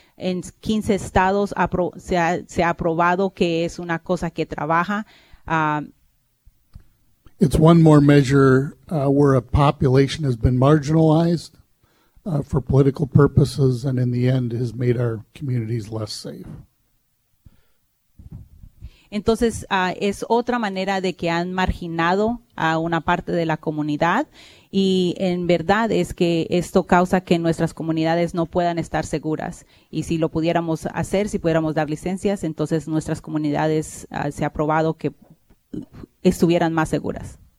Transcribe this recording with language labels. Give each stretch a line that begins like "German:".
Spanish: En 15 estados se ha aprobado que es una cosa que trabaja.
English: It's one more measure where a population has been marginalized for political purposes and in the end has made our communities less safe.
Spanish: Entonces, es otra manera de que han marginado a una parte de la comunidad y en verdad es que esto causa que nuestras comunidades no puedan estar seguras. Y si lo pudiéramos hacer, si pudiéramos dar licencias, entonces nuestras comunidades se ha probado que estuvieran más seguras.